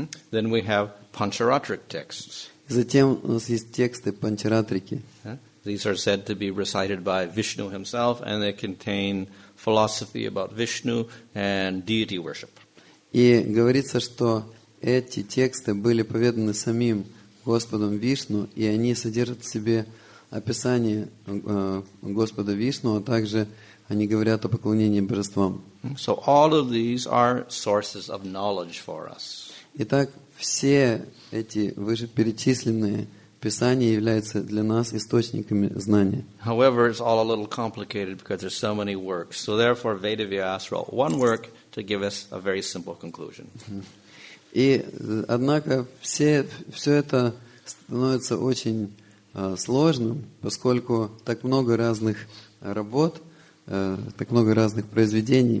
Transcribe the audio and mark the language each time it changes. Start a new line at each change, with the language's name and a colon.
English: Then we have Pancharatric texts.
Russian: Затем у нас есть тексты Панчаратрики.
English: These are said to be recited by Vishnu himself, and they contain philosophy about Vishnu and deity worship.
Russian: И говорится, что эти тексты были поведаны самим Господом Вишну, и они содержат в себе описание Господа Вишну, а также они говорят о поклонении божествам.
English: So all of these are sources of knowledge for us.
Russian: Итак, все эти вышеперечисленные писания являются для нас источниками знания.
English: However, it's all a little complicated because there's so many works. So therefore, Vedavyas wrote one work to give us a very simple conclusion.
Russian: И, однако, все это становится очень сложным, поскольку так много разных работ, так много разных произведений.